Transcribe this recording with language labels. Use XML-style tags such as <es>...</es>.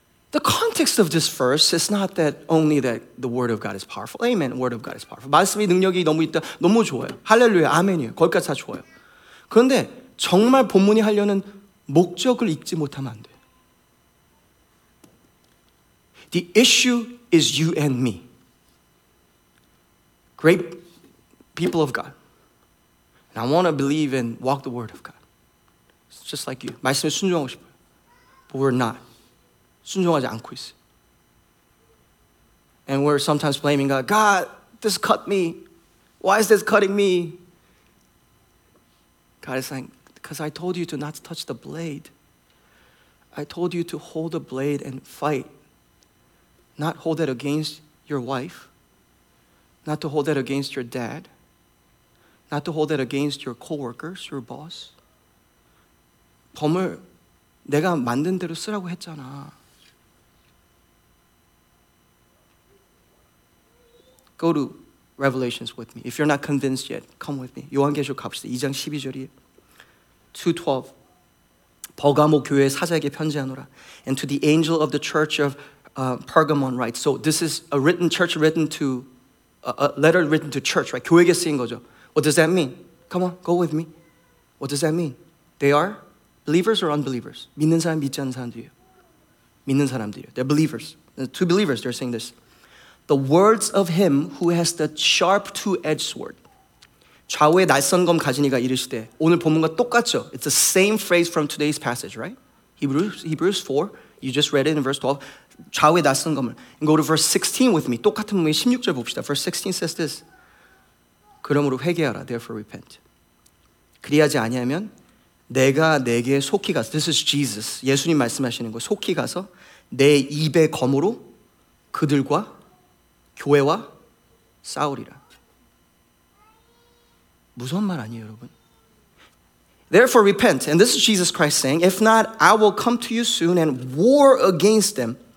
<en>The context of this verse is not that only that the word of God is powerful. Amen. Word of God is powerful.</en> <ko>말씀이 능력이 너무 있다. 너무 좋아요. 할렐루야. 아멘이요. 거기까지 다 좋아요. 그런데 정말 본문이 하려는 목적을 읽지 못하면 안 돼요.</ko> <en>The issue is you and me. Great people of God. And I want to believe and walk the word of God. It's just like you.</en> <ko>말씀에 순종하고 싶어요.</ko> <en>But we're not.</en> <ko>순종하지 않고 있어요.</ko> <en>And we're sometimes blaming God. God, this cut me. Why is this cutting me? God is like, Because I told you to not touch the blade. I told you to hold the blade and fight. Not hold it against your wife. Not to hold it against your dad. Not to hold it against your co-workers, your boss.</en> <ko>범을 내가 만든 대로 쓰라고 했잖아.</ko> <en>go to Revelations with me. If you're not convinced yet, come with me.</en> <ko>요한계시록 갑시다. 2장 12절이에요. 2:12. 버가모 교회 사자에게 편지하노라.</ko> <en>And to the angel of the church of Pergamon write. So this is a written church written to, a letter written to church, right?</en> <ko>교회에게 쓰인 거죠.</ko> <en>What does that mean? Come on, go with me. What does that mean? They are believers or unbelievers?</en> <ko>믿는 사람, 믿지 않는 사람들이에요. 믿는 사람들이에요.</ko> <en>They're believers. Two believers, they're saying this. The words of him who has the sharp two-edged sword.</en> <ko>좌우의 날선검 가진 이가 이르시되. 오늘 본문과 똑같죠?</ko> <en>It's the same phrase from today's passage, right? Hebrews 4, you just read it in verse 12.</en> <ko>좌우의 날선검을.</ko> <en>And go to verse 16 with me.</en> <ko>똑같은 문의 16절 봅시다.</ko> <en>Verse 16 says this.</en> <ko>그러므로 회개하라.</ko> <en>Therefore repent.</en> <ko>그리하지 아니하면 내가 내게 속히 가서.</ko> <en>This is Jesus.</en> <ko>예수님 말씀하시는 거. 속히 가서 내 입의 검으로 그들과 교회와 싸우리라. 무서운 말 아니에요, 여러분.</ko> <en>Therefore repent. And this is Jesus Christ saying, if not, I will come to you soon and war against them.</en>